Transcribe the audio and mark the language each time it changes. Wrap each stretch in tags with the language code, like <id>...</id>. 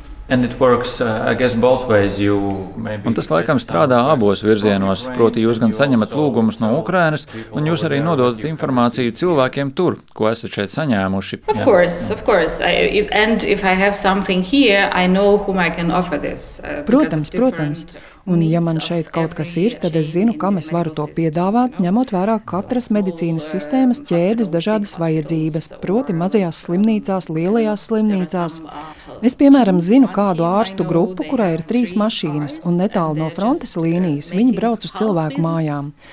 <en>And it works, I guess both ways. You maybe</en> <lv>Un tas laikam strādā abos virzienos, proti jūs gan saņemat lūgumus no Ukrainas, un jūs arī nododat informāciju cilvēkiem tur, ko esat šeit saņēmuši.</lv> <en>Of course. And if I have something here, I know whom I can offer this.</en> <lv>Protams. Un ja man šeit kaut kas ir, tad es zinu, kam es varu to piedāvāt, ņemot vērā katras medicīnas sistēmas ķēdes dažādas vajadzības, proti mazajās slimnīcās, lielajās slimnīcās. Es, piemēram, zinu kādu ārstu grupu, kurā ir 3 mašīnas, un netālu no frontes līnijas viņi brauc uz cilvēku mājām.</lv>